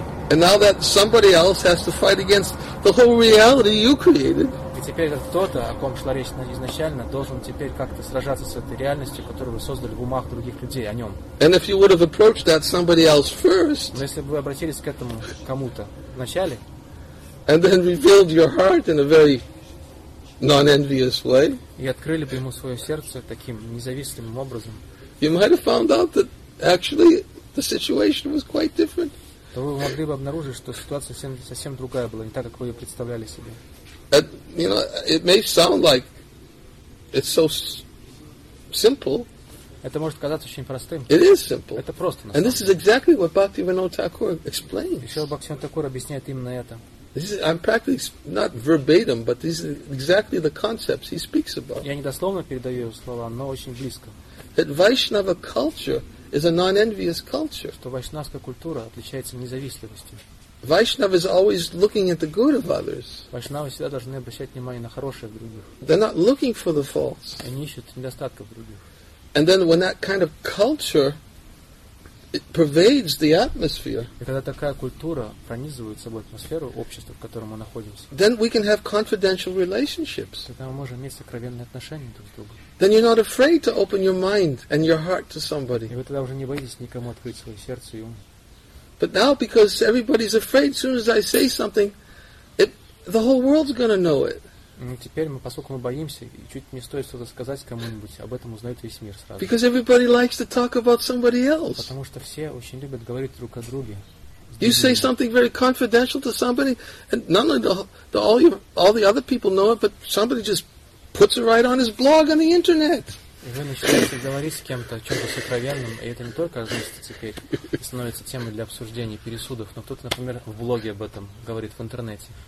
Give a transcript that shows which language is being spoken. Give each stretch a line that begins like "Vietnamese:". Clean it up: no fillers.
English: And now that somebody else has to fight against the whole reality you created.
Russian: Теперь кто-то, о ком шла речь изначально, должен теперь как-то сражаться с этой реальностью, которую вы создали в умах других людей, о нем.
English: And if you would have approached that somebody else first,
Russian: но если бы вы обратились к этому кому-то вначале,
English: and then revealed your heart in a very non-envious way,
Russian: и открыли бы ему свое сердце таким независимым образом,
English: you might have found out that actually the situation was quite different.
Russian: То вы могли бы обнаружить, что ситуация совсем другая была, не так, как вы ее представляли себе.
English: You know, it may sound like it's so simple.
Russian: Это может казаться очень простым.
English: It is simple.
Russian: Это просто.
English: And this is exactly what Bhaktivinoda Thakur explains.
Russian: Еще Бхактивинода Тхакур объясняет именно это.
English: This is, I'm practically not verbatim, but these are exactly the concepts he speaks about.
Russian: Я не дословно передаю его слова, но очень близко.
English: That Vaishnava culture is a non-envious culture.
Russian: Что вайшнавская культура отличается независимостью.
English: Vaishnava is always looking at the good of others.
Russian: Vaishnava всегда должны обращать внимание на хорошее в других.
English: They're not looking for the faults.
Russian: Они ищут недостатков в других.
English: And then when that kind of culture it pervades the atmosphere.
Russian: И когда такая культура пронизывает собой атмосферу общества, в котором мы находимся.
English: Then we can have confidential relationships.
Russian: Тогда мы можем иметь сокровенные отношения друг с другом.
English: Then you're not afraid to open your mind and your heart to somebody.
Russian: И вы тогда уже не боитесь никому открыть свое сердце и ум.
English: But now, because everybody's afraid, as soon as I say something, the whole world's going to know it.
Russian: Теперь мы, поскольку мы боимся, и чуть не стоит что-то сказать кому-нибудь, об этом узнает весь мир сразу.
English: Because everybody likes to talk about somebody else.
Russian: Потому что все очень любят говорить друг о друге.
English: You say something very confidential to somebody, and not only all the other people know it, but somebody just puts it right on his blog on the internet.
Russian: И вы начинаете говорить с кем-то о чем-то сокровенном, и это не только относится теперь, становится темой для обсуждений, пересудов, но кто-то, например, в блоге об этом говорит в интернете.